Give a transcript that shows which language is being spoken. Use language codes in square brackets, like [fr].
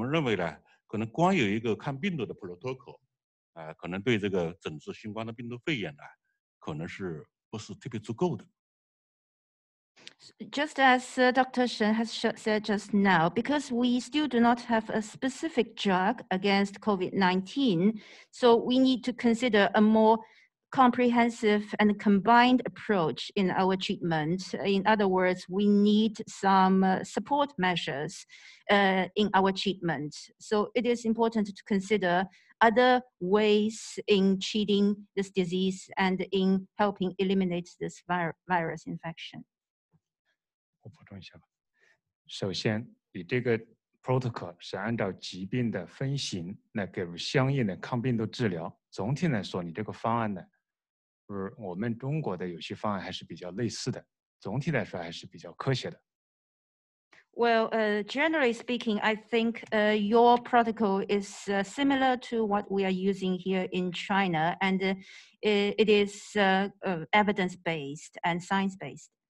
[zh] 就像刚刚我们沈教授讲到的，抗病毒治疗呢，目前来看呢，不是有特效的药物，啊，可能治疗我们新冠的病毒肺炎呢，可能不是十分重要，重要的是我们的支持和这个支持疗法。所以我们认为呢，可能光有一个抗病毒的 protocol， 可能对这个诊治新冠的病毒肺炎呢，可能是不是特别足够的。 [en] Just as Dr. Shen has said just now, because we still do not have a specific drug against COVID-19, so we need to consider a more comprehensive and combined approach in our treatment. In other words, we need some support measures in our treatment. So it is important to consider other ways in treating this disease and in helping eliminate this virus infection. [zh] 我补充一下吧。首先，你这个 protocol 是按照疾病的分型来给予相应的抗病毒治疗。总体来说，你这个方案呢，不是我们中国的有些方案还是比较类似的。总体来说，还是比较科学的。Well, [en] generally speaking, I think your protocol is similar to what we are using here in China, and it is evidence-based and science-based.